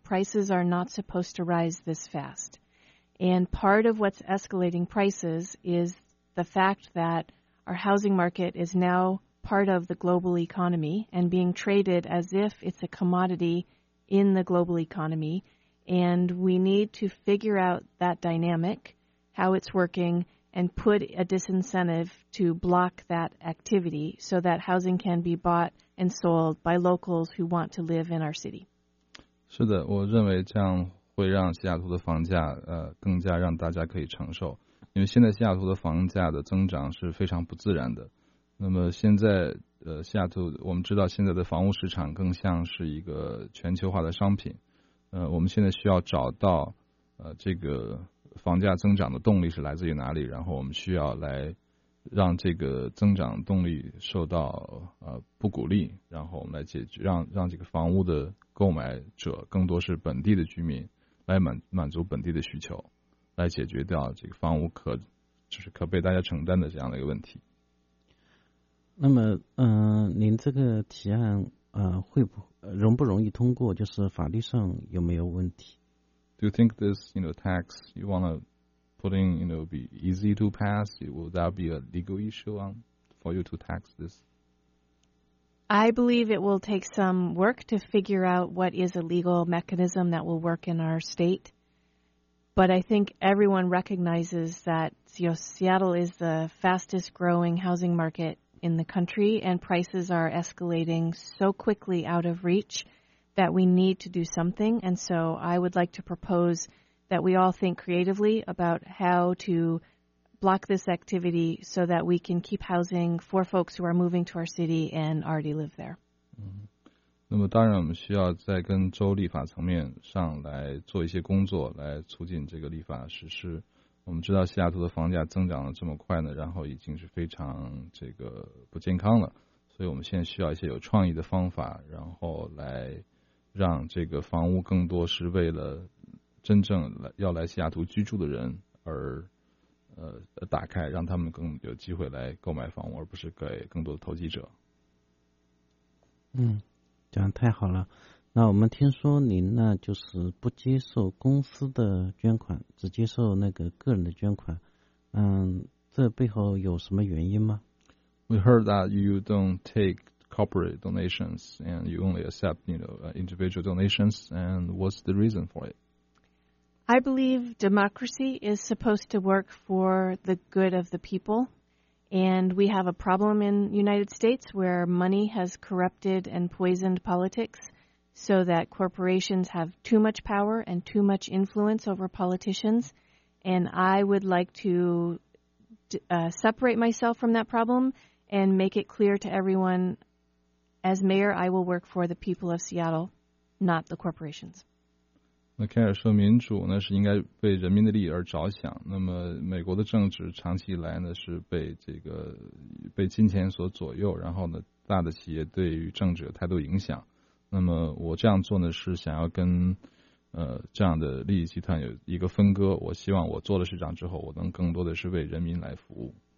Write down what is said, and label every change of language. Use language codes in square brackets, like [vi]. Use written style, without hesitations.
[en] Prices are not supposed to rise this fast. And part of what's escalating prices is the fact that our housing market is now part of the global economy and being traded as if it's a commodity in the global economy. And we need to figure out that dynamic, how it's working, and put a disincentive to block that activity so that housing can be bought and sold by locals who want to live in our city. [zh] 是的，我认为这样会让西雅图的房价更加让大家可以承受。因为现在西雅图的房价的增长是非常不自然的，那么现在西雅图我们知道现在的房屋市场更像是一个全球化的商品，我们现在需要找到这个房价增长的动力是来自于哪里，然后我们需要来让这个增长动力受到不鼓励，然后我们来解决让这个房屋的购买者更多是本地的居民，来满足本地的需求，来解决掉这个房屋可被大家承担的这样的一个问题。那么您这个提案容不容易通过，就是法律上有没有问题？ [en] Do you think this, you know, tax you want to put in, you know, be easy to pass? Will that be a legal issue for you to tax this? I believe it will take some work to figure out what is a legal mechanism that will work in our state. But I think everyone recognizes that, you know, Seattle is the fastest growing housing market in the country, and prices are escalating so quickly out of reach that we need to do something. And so I would like to propose that we all think creatively about how to block this activity so that we can keep housing for folks who are moving to our city and already live there. [zh] 那么当然我们需要再跟州立法层面上来做一些工作来促进这个立法实施。我们知道西雅图的房价增长了这么快呢，然后已经是非常这个不健康了，所以我们现在需要一些有创意的方法，然后来让这个房屋更多是为了真正要来西雅图居住的人而打开，让他们更有机会来购买房屋，而不是给更多的投机者。讲得太好了。那我们听说您呢就是不接受公司的捐款，只接受那个个人的捐款，这背后有什么原因吗？ [en] We heard that you don't take corporate donations and you only accept, you know, individual donations? And what's the reason for it? I believe democracy is supposed to work for the good of the people. And we have a problem in the United States where money has corrupted and poisoned politics so that corporations have too much power and too much influence over politicians. And I would like to separate myself from that problem and make it clear to everyone, as mayor, I will work for the people of Seattle, not the corporations. [zh] 那凯尔说民主呢是应该为人民的利益而着想，那么美国的政治长期以来呢是被这个被金钱所左右，然后呢大的企业对于政治有太多影响，那么我这样做呢是想要跟这样的利益集团有一个分割，我希望我做了市长之后我能更多的是为人民来服务。